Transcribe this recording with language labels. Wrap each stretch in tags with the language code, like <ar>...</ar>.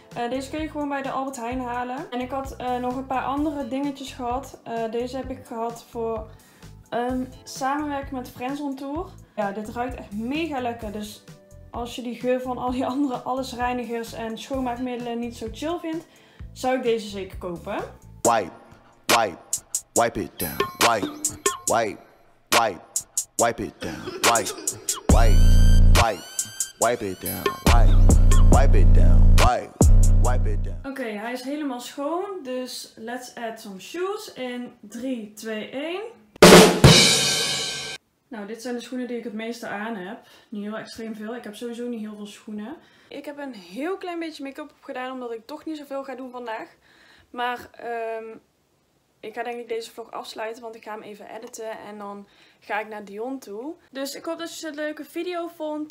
<nl>Deze kun je gewoon bij de Albert Heijn halen. En ik had nog een paar andere dingetjes gehad. Deze heb ik gehad voor... samenwerken met Friends on Tour. Ja, dit ruikt echt mega lekker. Dus als je die geur van al die andere allesreinigers en schoonmaakmiddelen niet zo chill vindt, zou ik deze zeker kopen.</nl> <en>Wipe, wipe, wipe it down. Wipe, wipe, wipe, wipe it down. Wipe, wipe, wipe, wipe it down. Wipe, wipe it down. Wipe, wipe it down. Oké, hij is helemaal schoon. Dus let's add some shoes in 3, 2, 1.</en> <nl>Nou, dit zijn de schoenen die ik het meeste aan heb. Niet heel extreem veel. Ik heb sowieso niet heel veel schoenen. Ik heb een heel klein beetje make-up opgedaan, omdat ik toch niet zoveel ga doen vandaag. Maar ik ga denk ik deze vlog afsluiten, want ik ga hem even editen. En dan ga ik naar Dion toe. Dus ik hoop dat je een leuke video vond.</nl>